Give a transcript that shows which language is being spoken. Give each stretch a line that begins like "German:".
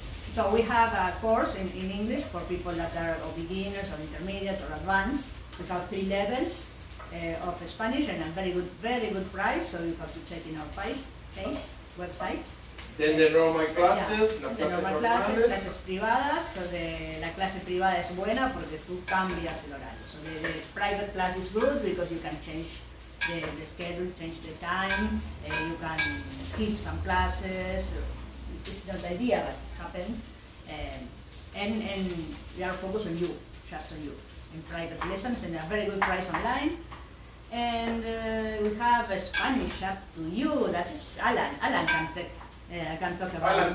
English: So we have a course in English for people that are or beginners or intermediate or advanced. We have 3 levels of Spanish and a very good price. So you have to check in our page website. Then there are my classes.
Spanish: Clases privadas. So la clase privada es buena porque tú cambias el horario.
English: So the private class is good because you can change. The schedule, change the time, you can skip some classes, it's not the idea that happens, and we are focused on you, just on you, in private lessons, and a very good price online, and we have a Spanish Up to You, that is Alan can talk about